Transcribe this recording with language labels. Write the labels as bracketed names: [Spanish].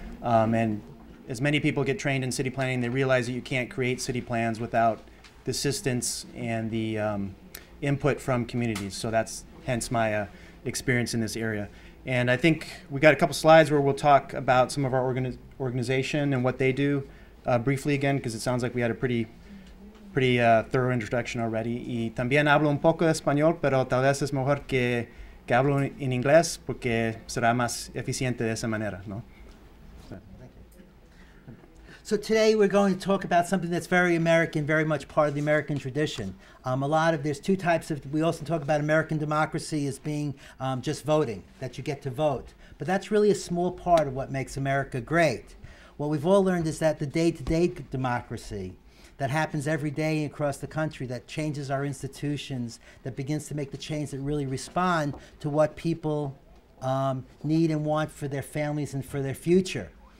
[English] And as many people get trained in city planning, they realize that you can't create city plans without the assistance and the input from communities. So that's hence my experience in this area. And I think we got a couple slides where we'll talk about some of our organization and what they do briefly again, because it sounds like we had a pretty thorough introduction already. [Spanish] Y también hablo un poco de español, pero tal vez es mejor que hablo en inglés porque será más eficiente de esa manera, ¿no? [English] So today we're going to talk about something that's very American, very much part of the American tradition. There's two types of, we also talk about American democracy as being just voting, that you get to vote. But that's really a small part of what makes America great. What we've all learned is that the day-to-day democracy that happens every day across the country that changes our institutions, that begins to make the change that really respond to what people need and want for their families and for their future.